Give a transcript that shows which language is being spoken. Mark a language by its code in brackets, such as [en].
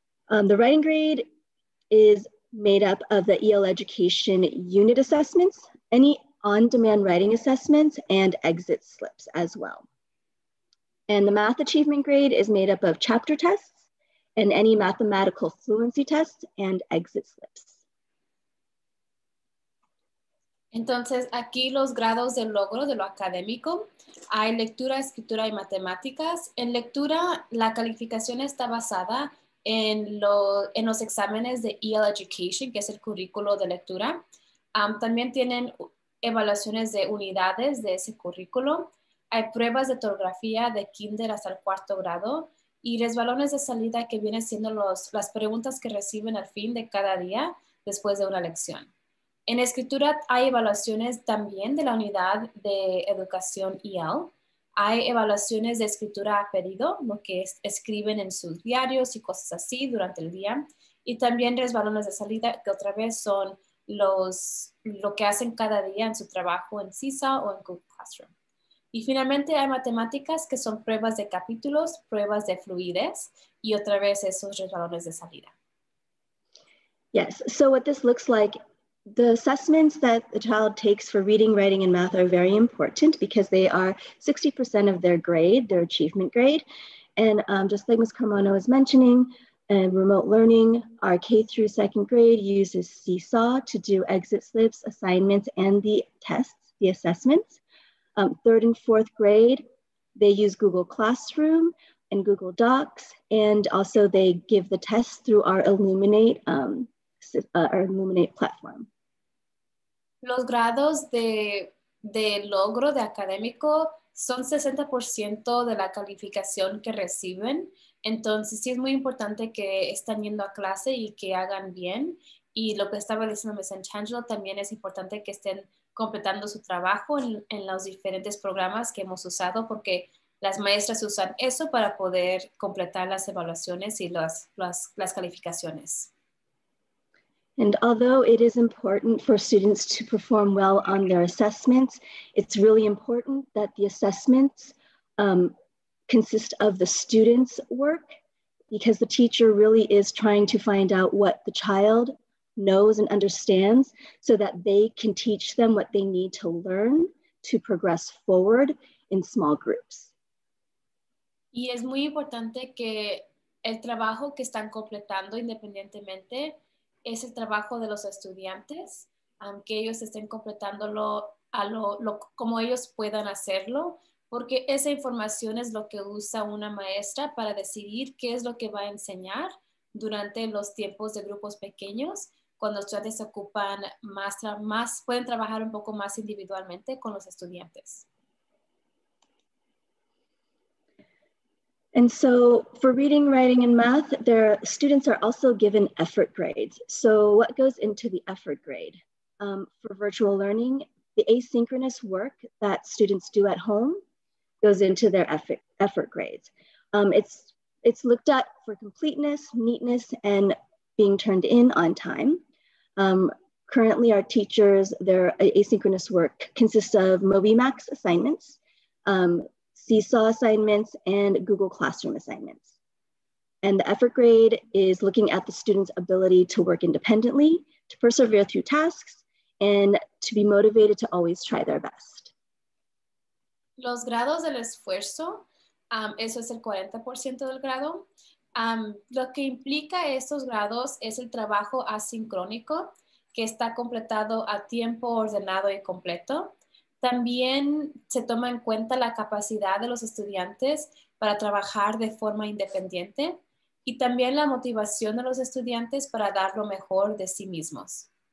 [en] The writing grade is made up of the EL education unit assessments, any on-demand writing assessments, and exit slips as well. And the math achievement grade is made up of chapter tests and any mathematical fluency tests and exit slips. [es] Entonces, aquí los grados de logro de lo académico, hay lectura, escritura y matemáticas. En lectura, la calificación está basada en los exámenes de EL Education, que es el currículo de lectura. También tienen evaluaciones de unidades de ese currículo. Hay pruebas de ortografía de kinder hasta el cuarto grado y resbalones de salida que vienen siendo las preguntas que reciben al fin de cada día después de una lección. En escritura hay evaluaciones también de la unidad de educación EL. Hay evaluaciones de escritura a pedido, lo que es, escriben en sus diarios y cosas así durante el día. Y también resbalones de salida, que otra vez son lo que hacen cada día en su trabajo en CISA o en Google Classroom. Y finalmente hay matemáticas, que son pruebas de capítulos, pruebas de fluidez, y otra vez esos resbalones de salida. [en] Yes, so what this looks like, the assessments that the child takes for reading, writing, and math are very important because they are 60% of their grade, their achievement grade. And just like Ms. Carmona was mentioning, remote learning, our K through second grade uses Seesaw to do exit slips, assignments, and the tests, the assessments. Third and fourth grade, they use Google Classroom and Google Docs, and also they give the tests through our Illuminate platform. [es] Los grados de logro de académico son 60% de la calificación que reciben. Entonces, sí es muy importante que estén yendo a clase y que hagan bien. Y lo que estaba diciendo Ms. Angelo, también es importante que estén completando su trabajo en los diferentes programas que hemos usado, porque las maestras usan eso para poder completar las evaluaciones y las calificaciones. [en] And although it is important for students to perform well on their assessments, it's really important that the assessments consist of the student's work, because the teacher really is trying to find out what the child knows and understands so that they can teach them what they need to learn to progress forward in small groups. [es] Y es muy importante que el trabajo que están completando independientemente es el trabajo de los estudiantes, aunque ellos estén completándolo como ellos puedan hacerlo, porque esa información es lo que usa una maestra para decidir qué es lo que va a enseñar durante los tiempos de grupos pequeños, cuando los estudiantes se ocupan más, pueden trabajar un poco más individualmente con los estudiantes. [en] And so for reading, writing, and math, their students are also given effort grades. So what goes into the effort grade? For virtual learning, the asynchronous work that students do at home goes into their effort grades. It's looked at for completeness, neatness, and being turned in on time. Currently our teachers, their asynchronous work consists of MobiMax assignments, Seesaw assignments, and Google Classroom assignments. And the effort grade is looking at the student's ability to work independently, to persevere through tasks, and to be motivated to always try their best. [es] Los grados del esfuerzo, eso es el 40% del grado. Lo que implica estos grados es el trabajo asincrónico, que está completado a tiempo ordenado y completo. También se toma en cuenta la capacidad de los estudiantes para trabajar de forma independiente y también la motivación de los estudiantes para dar lo mejor de sí mismos.